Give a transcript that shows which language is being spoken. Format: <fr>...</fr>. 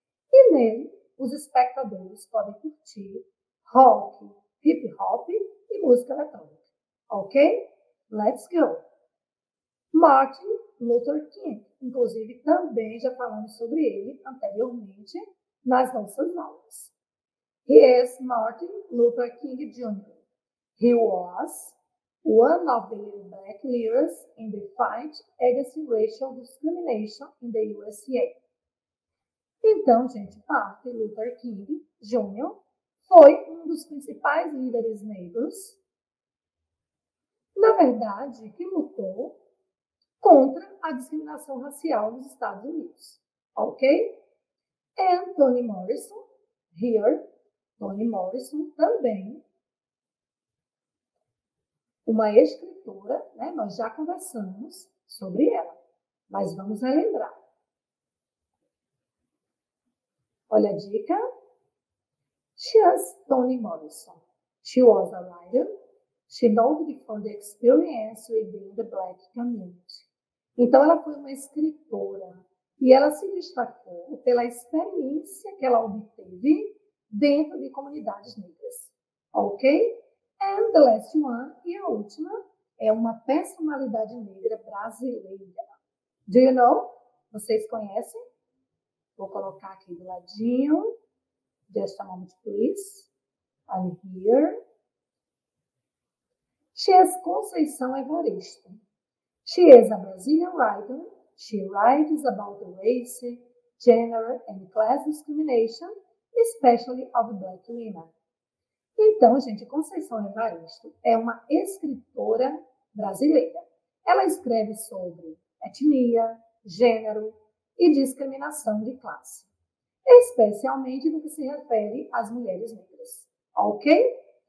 <pt>E nele, os espectadores podem curtir rock, hip hop e música eletrônica. Ok?</pt> <en>Let's go!</en> <pt>Martin Luther King, inclusive, também já falamos sobre ele anteriormente nas nossas aulas.</pt> <en>He is Martin Luther King Jr. He was one of the black leaders in the fight against racial discrimination in the USA.</en> <pt>Então, gente, Martin Luther King Jr. foi um dos principais líderes negros, na verdade, que lutou contra a discriminação racial nos Estados Unidos, ok?</pt> <en>And Toni Morrison, here,</en> <pt>Toni Morrison também, uma escritora, né? Nós já conversamos sobre ela, mas vamos relembrar. Olha a dica.</pt> <en>She is Toni Morrison. She was a writer. She noted for the experience within the black community.</en> <pt>Então, ela foi uma escritora e ela se destacou pela experiência que ela obteve dentro de comunidades negras. Ok?</pt> <en>And the last one,</en> <pt>e a última, é uma personalidade negra brasileira.</pt> <en>Do you know?</en> <pt>Vocês conhecem? Vou colocar aqui do ladinho.</pt> <en>Just a moment, please. I'm here. She is Conceição Evaristo. She is a Brazilian writer She writes about race, gender and class discrimination, especially of black women.</en> <pt>Então, gente, Conceição Evaristo é uma escritora brasileira. Ela escreve sobre etnia, gênero e discriminação de classe, especialmente no que se refere às mulheres negras. Ok?</pt>